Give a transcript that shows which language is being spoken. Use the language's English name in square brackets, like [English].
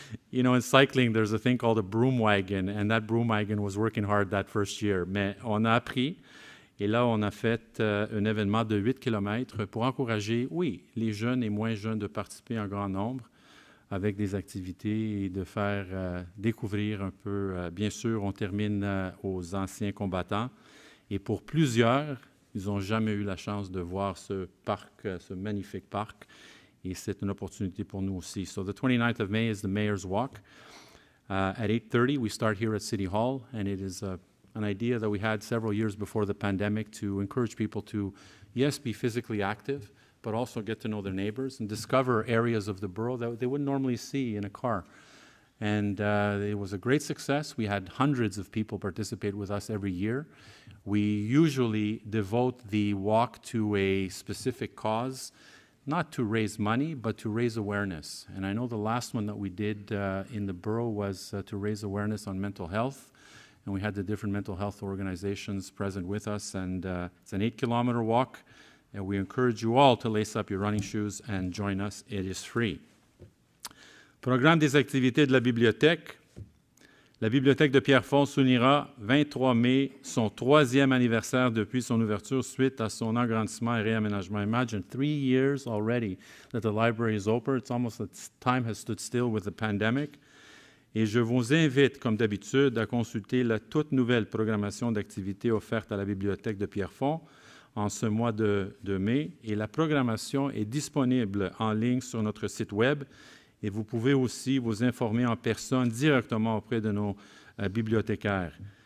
[English] You know, in cycling, there's a thing called a broom wagon, and that broom wagon was working hard that first year. [French] Mais on a appris, et là, on a fait un événement de 8 km pour encourager, oui, les jeunes et moins jeunes de participer en grand nombre, avec des activités et de faire découvrir un peu. Bien sûr, on termine aux anciens combattants. Et pour plusieurs, ils n'ont jamais eu la chance de voir ce parc, ce magnifique parc. Et c'est une opportunité pour nous aussi. [English] So the 29th of May is the Mayor's Walk. At 8:30, we start here at City Hall. And it is an idea that we had several years before the pandemic to encourage people to, yes, be physically active, but also get to know their neighbors and discover areas of the borough that they wouldn't normally see in a car. And it was a great success. We had hundreds of people participate with us every year. We usually devote the walk to a specific cause, not to raise money, but to raise awareness. And I know the last one that we did in the borough was to raise awareness on mental health. And we had the different mental health organizations present with us. And it's an 8-kilometer walk. And we encourage you all to lace up your running shoes and join us. It is free. [French] Programme des activités de la bibliothèque. La bibliothèque de Pierrefonds soulignera 23 mai son troisième anniversaire depuis son ouverture suite à son agrandissement et réaménagement. [English] Imagine 3 years already that the library is open. It's almost that time has stood still with the pandemic. [French] Et je vous invite, comme d'habitude, à consulter la toute nouvelle programmation d'activités offerte à la bibliothèque de Pierrefonds en ce mois de mai. Et la programmation est disponible en ligne sur notre site web. Et vous pouvez aussi vous informer en personne directement auprès de nos bibliothécaires.